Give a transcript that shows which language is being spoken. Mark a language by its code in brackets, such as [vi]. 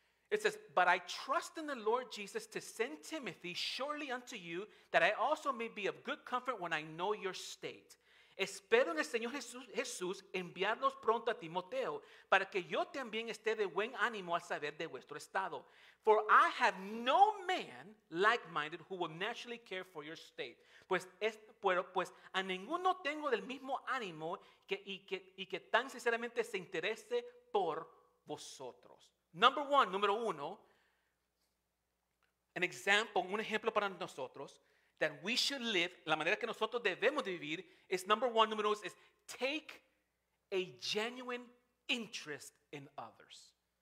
[en] It says, but I trust in the Lord Jesus to send Timothy surely unto you, that I also may be of good comfort when I know your state. [es] Espero en el Señor Jesús enviarlos pronto a Timoteo, para que yo también esté de buen ánimo al saber de vuestro estado. [en] For I have no man like-minded who will naturally care for your state. [es] Pues a ninguno tengo del mismo ánimo que tan sinceramente se interese por vosotros. [en] Number one, [es] número uno, un ejemplo para nosotros, [en] that we should live, [es] la manera que nosotros debemos de vivir, [en] is number one, [es] número dos, [en] is take a genuine interest in others.